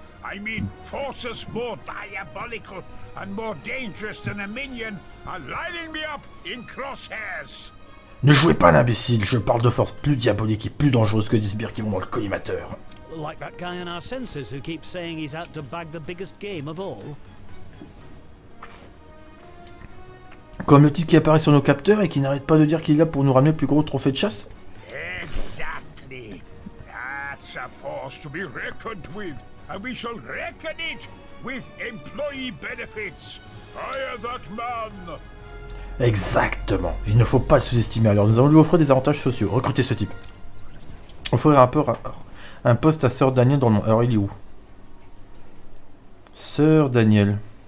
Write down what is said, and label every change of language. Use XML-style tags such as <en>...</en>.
<en>I mean, forces more diabolical and more dangerous than a minion are lining me up in crosshairs.</en> <fr>Ne jouez pas l'imbécile, je parle de forces plus diaboliques et plus dangereuses que des sbires qui vont dans le collimateur.</fr> <en>Like that guy in our senses who keeps saying he's out to bag the biggest game of all.</en> <fr>Comme le type qui apparaît sur nos capteurs et qui n'arrête pas de dire qu'il est là pour nous ramener le plus gros trophée de chasse.</fr> <en>Exactly. That's a force to be reckoned with. And we shall reckon it with employee benefits. Hire that man.</en> <fr>Exactement. Il ne faut pas sous-estimer. Alors nous allons lui offrir des avantages sociaux. Recrutez ce type. Offrir un poste à Sir Daniel dans le monde. Alors il est où? Sir Daniel.</fr>